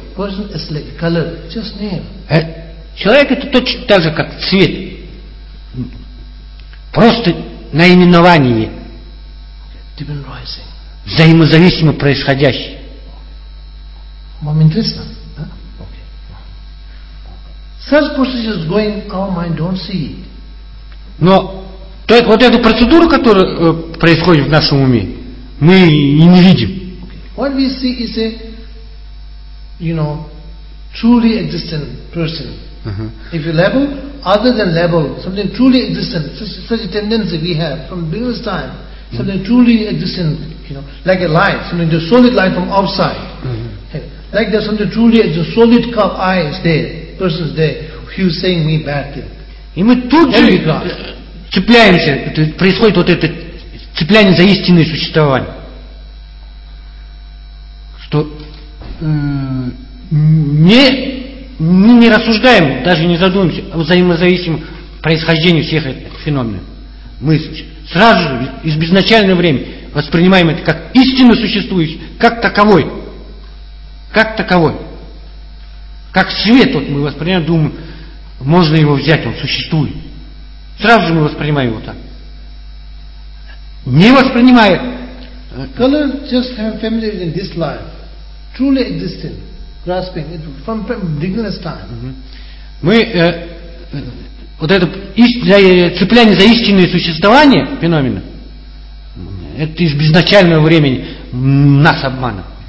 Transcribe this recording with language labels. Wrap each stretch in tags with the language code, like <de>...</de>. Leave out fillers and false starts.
<en>Person is like color, just name.</en> <ru>Человек это точно так же, как цвет. Просто наименование. Взаимозависимо происходящее. Момент интересно, да?</ru> <en>Such process is going, our mind don't see it.</en> <ru>Но то, вот эту процедуру, которая происходит в нашем уме, мы и не видим.</ru> <en>What we see is a, you know, truly existent person. If you label, other than label, something truly existent, such a tendency we have from the beginning of time, something truly existent, you know, like a light, something the solid light from outside. Okay. Like there's something truly a solid cup, eye is there, person is there, who's saying me bad thing.</en> <ru>И мы тут же цепляемся, происходит вот это цепляние за истинное существование. Что мы не рассуждаем, даже не задумываемся о взаимозависимом происхождении всех этих феноменов. Мы сразу же, из безначального времени, воспринимаем это как истинно существующее, как таковой. Как таковой. Как свет, вот мы воспринимаем, думаем, можно его взять, он существует. Сразу же мы воспринимаем его так. Не воспринимая...</ru> <en>Color just have family in this life. Truly existent. Grasping it from beginner's time.</en> <ru>Мы вот это цепляние за истинное существование феномена, это из безначального времени нас обманывает.</ru>